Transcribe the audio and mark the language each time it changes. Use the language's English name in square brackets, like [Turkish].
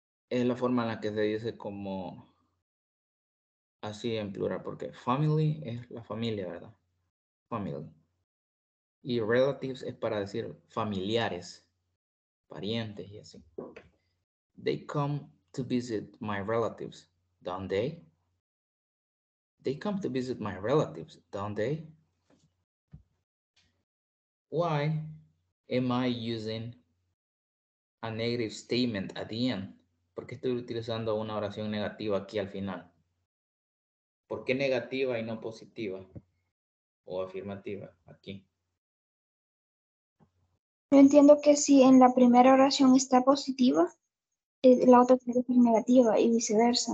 [Spanish] Es la forma en la que se dice como así en plural, porque family es la familia, ¿verdad? Family. Y relatives es para decir familiares, parientes y así. [English] They come to visit my relatives, don't they? They come to visit my relatives, don't they? Why am I using a negative statement at the end? [Spanish] ¿Por qué estoy utilizando una oración negativa aquí al final? ¿Por qué negativa y no positiva? O afirmativa aquí. Yo entiendo que si en la primera oración está positiva, la otra tiene que ser negativa y viceversa.